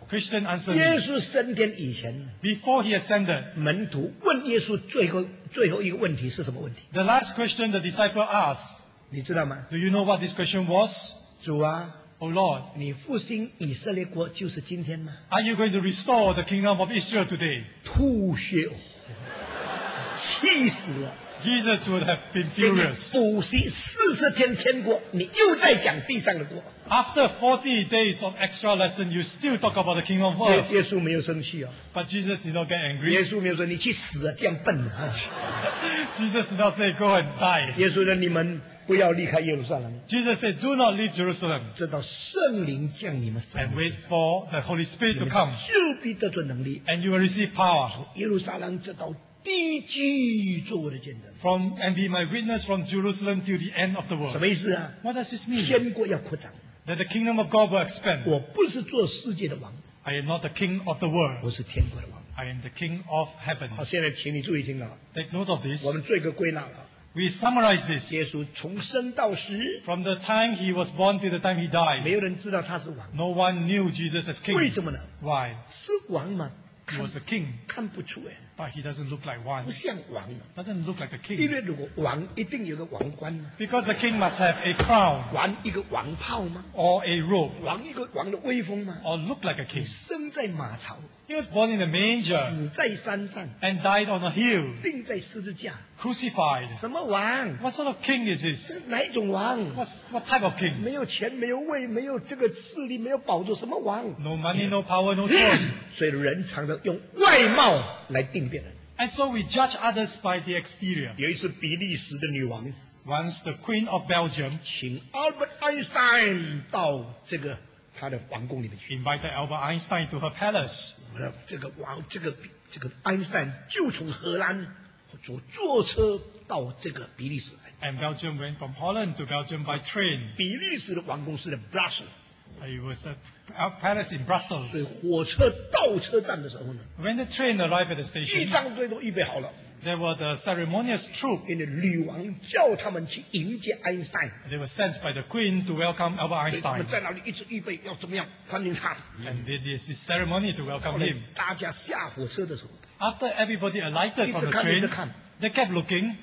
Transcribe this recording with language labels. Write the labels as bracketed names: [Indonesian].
[English] ，Christian answer me。 [Chinese] 耶稣升天以前 [English] ，Before he ascended， [Chinese] 门徒问耶稣最后一个问题是什么问题 [English] ？The last question the disciple asked， [Chinese] 你知道吗 [English] ？Do you know what this question was？ [Chinese] 主啊。 [English] Oh Lord, [Chinese] 你复兴以色列国就是今天吗 [English] ？Are you going to restore the kingdom of Israel today? [Chinese] 吐血，气死了。 [English] Jesus would have been furious. [Chinese] 补习40天天国，你又在讲地上的国。 [English] After 40 days of extra lesson, you still talk about the kingdom of earth. [Chinese] 耶稣没有生气啊。 [English] But Jesus did not get angry. [Chinese] 耶稣没有说你去死啊，这样笨啊。 [English] Jesus did not say go and die. [Chinese] 耶稣说你们。不要离开耶路撒冷。 [English] Jesus said, "Do not leave Jerusalem." [Chinese] 直到圣灵降你们身上。 [English] And wait for the Holy Spirit to come. [Chinese] 就必得着能力。 [English] And you will receive power. [Chinese] 从耶路撒冷直到地基，做我的见证。 [English] From and be my witness from Jerusalem till the end of the world. [Chinese] 什么意思啊 [English] ？What does this mean? [Chinese] 天国要扩张。 [English] That the kingdom of God will expand. [Chinese] 我不是做世界的王。 [English] I am not the king of the world. [Chinese] 我是天国的王。 [English] I am the king of heaven. [Chinese] 好，现在请你注意听了。 [English] Take note of this. [Chinese] 我们做一个归纳了。 [English] We summarize this. [Chinese] 耶稣从生到死 [English] from the time he was born to the time he died, [Chinese] 没有人知道他是王 [English] No one knew Jesus as king. [Chinese] 为什么呢 [English] Why? [Chinese] 是王吗 [English] He was a king. [Chinese] 看不出哎。 [English] But he doesn't look like one. [Chinese] 不像王。 [English] Doesn't look like the king. [Chinese] 因为如果王一定有个王冠。 [English] Because the king must have a crown. [Chinese] 玩一个王炮吗 [English] ？Or a robe. [Chinese] 玩一个王的威风吗 [English] ？Or look like a king. [Chinese] 生在马槽。 [English] He was born in a manger. [Chinese] 死在山上。 [English] And died on a hill. [Chinese] 钉在十字架。 [English] Crucified. [Chinese] 什么王 [English] ？What sort of king is this? [Chinese] 哪一种王 [English] ？What type of king? [Chinese] 没有钱，没有位，没有这个势力，没有宝座，什么王 [English] ？No money, no power, no throne. [Chinese] 所以人常常用外貌来定别人。 [English] And so we judge others by the exterior. [Chinese] 有一次，比利时的女王 [English] ，Once the Queen of Belgium, [Chinese] 请 Albert Einstein 到这个她的王宫里面去 [English] ，invited Albert Einstein to her palace. [Chinese] 这个王，这个 Einstein 就从荷兰。坐车到这个比利时来。 [English] And Belgium went from Holland to Belgium by train. [Chinese] 比利时的王宫是在 Brussels. [English] It was a palace in Brussels. [Chinese] 所以火车到车站的时候呢 [English] ，When the train arrived at the station, [Chinese] 仪仗队都预备好了。 [English] There were the ceremonious troops. [Chinese] 因为女王叫他们去迎接 Einstein. [English] They were sent by the Queen to welcome Albert Einstein. [Chinese] 他们在那里一直预备要怎么样欢迎他。 [English] And there is this ceremony to welcome him. [Chinese] 大家下火车的时候。 [English] After everybody alighted from the train, they kept looking.